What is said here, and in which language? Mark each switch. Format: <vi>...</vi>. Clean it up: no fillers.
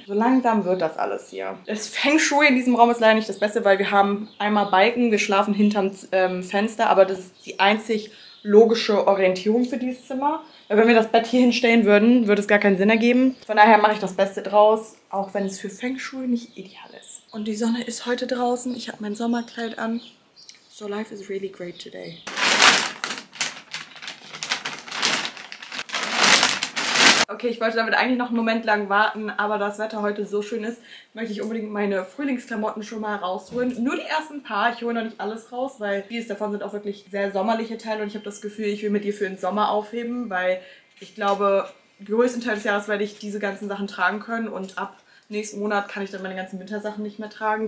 <de>So langsam wird das alles hier. Das Feng Shui in diesem Raum ist leider nicht das Beste, weil wir haben einmal Balken, wir schlafen hinterm Fenster, aber das ist die einzig logische Orientierung für dieses Zimmer. Weil wenn wir das Bett hier hinstellen würden, würde es gar keinen Sinn ergeben. Von daher mache ich das Beste draus, auch wenn es für Feng Shui nicht ideal ist. Und die Sonne ist heute draußen. Ich habe mein Sommerkleid an.</de> <en>So life is really great today.</en> <de>Okay, ich wollte damit eigentlich noch einen Moment lang warten, aber da das Wetter heute so schön ist, möchte ich unbedingt meine Frühlingsklamotten schon mal rausholen. Nur die ersten paar, ich hole noch nicht alles raus, weil vieles davon sind auch wirklich sehr sommerliche Teile und ich habe das Gefühl, ich will mit dir für den Sommer aufheben, weil ich glaube, größtenteils des Jahres werde ich diese ganzen Sachen tragen können und ab nächsten Monat kann ich dann meine ganzen Wintersachen nicht mehr tragen.</de>